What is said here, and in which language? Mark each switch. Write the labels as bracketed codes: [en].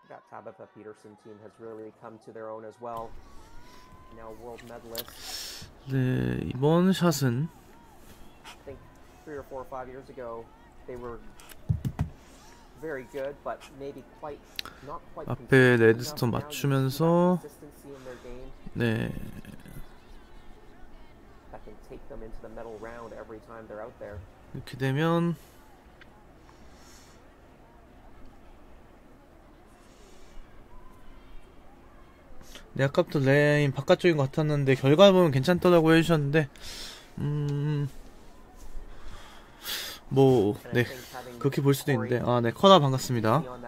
[en] Tabitha Peterson team has really come to their own as well. Now world medalist. [ko] 네, 이번 샷은 [en] I think 3 or 4 or 5 years ago they were very good but maybe quite not quite [ko] 앞에 레드스톤 맞추면서 네. [en] That can take them into the medal round every time they're out there. [ko] 이렇게 되면 네, 아까부터 레인 바깥쪽인 것 같았는데 결과를 보면 괜찮더라고 해주셨는데 뭐 네 그렇게 볼 수도 있는데 아 네 커다 반갑습니다